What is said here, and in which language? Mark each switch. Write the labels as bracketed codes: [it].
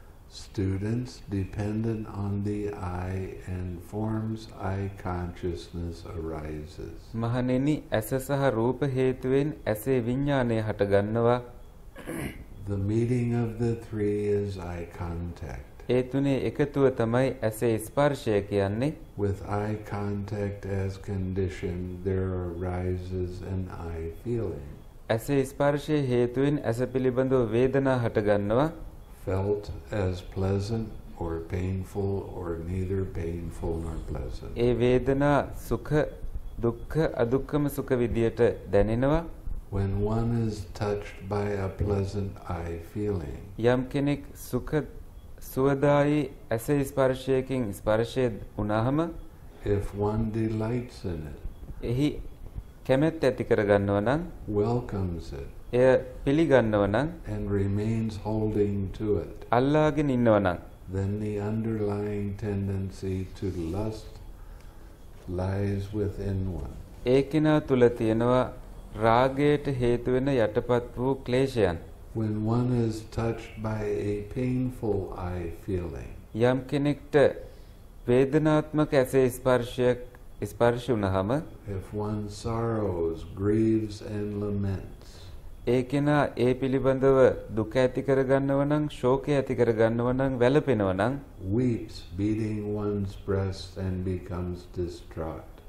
[en] Students dependent on the I and forms I consciousness arises. [si] මහණෙනි ඇස සහ රූප හේතුවෙන් ඇසේ විඥානය හට ගන්නවා. [en] The meeting of the three is eye contact. [si] ඒ තුනේ එකතුව තමයි ඇසේ ස්පර්ශය කියන්නේ. [en] With eye contact as condition there arises an eye feeling. [si] ඇසේ ස්පර්ශය හේතුවෙන් ඇස පිළිබඳ වේදනා හට ගන්නවා. [en] Felt as pleasant or painful or neither painful nor pleasant. [si] ඒ වේදනා සුඛ දුක්ඛ අදුක්ඛම සුඛ විදියට දැනෙනවා. [en] When one is touched by a pleasant eye feeling. [si] යම් කෙනෙක් සුඛ සුවදායි ඇස ස්පර්ශයකින් ස්පර්ශය වුණාම [en] if one delights in it [si] එහි කැමැත්ත ඇති කරගන්නවා නම් [en] welcomes it [si] එය පිළිගන්නවා නම් [en] and remains holding to it [si] අල්ලාගෙන ඉන්නවා නම් [en] then the underlying tendency to lust lies within one [si] ඒකිනා තුල තියෙනවා රාගයට හේතු වෙන යටපත් වූ ක්ලේශයන් [en] When one is touched by a painful eye feeling, [si] යම් කෙනෙක්ට වේදනාත්මක ඇස ස්පර්ශයක් ස්පර්ශ වුණාම, [en] if one sorrows, grieves, and laments, [si] ඒකෙනා ඒ පිළිබඳව දුක ඇති කරගන්නව නම්, ශෝකය ඇති කරගන්නව නම්, වැළපෙනව නම්, [en] weeps, beating one's breast and becomes distraught.